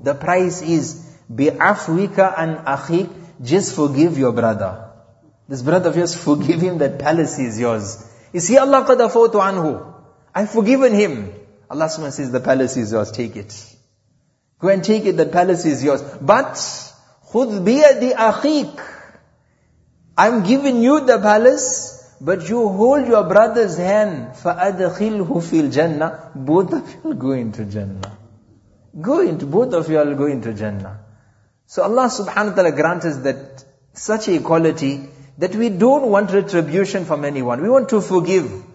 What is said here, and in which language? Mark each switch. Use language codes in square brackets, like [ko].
[en] The price is, [ar] bi'afwika an akhik, [en] just forgive your brother. This brother of yours, forgive him, that palace is yours. You see, Allah [ar] qad afawtu anhu. [en] I've forgiven him. Allah subhanahu wa ta'ala says, the palace is yours, take it. Go and take it, that palace is yours. But, [ar] خُذْ بِيَدِ أَخِيكَ. [en] I'm giving you the palace, but you hold your brother's hand. [ar] فَأَدْخِلْهُ فِي الْجَنَّةِ. [en] Both of you will go into Jannah. Both of you will go into Jannah. So Allah subhanahu wa ta'ala grants us that such equality, that we don't want retribution from anyone. We want to forgive.